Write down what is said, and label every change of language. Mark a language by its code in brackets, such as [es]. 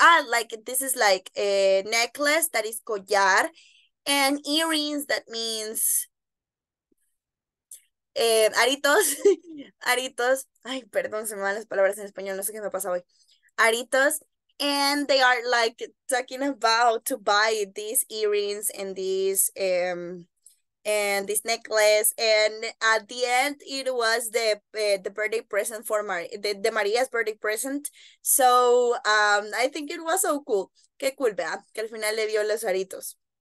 [en] like, this is like a necklace, that is collar, and earrings, that means... [es] aritos, ay, perdón, se me van las palabras en español, no sé qué me pasa hoy. [en] Aritos, and they are like talking about to buy these earrings and this necklace, and at the end it was the birthday present for the Maria's birthday present. So I think it was so cool. [es] Qué cool, vea, que al final le dio los aritos.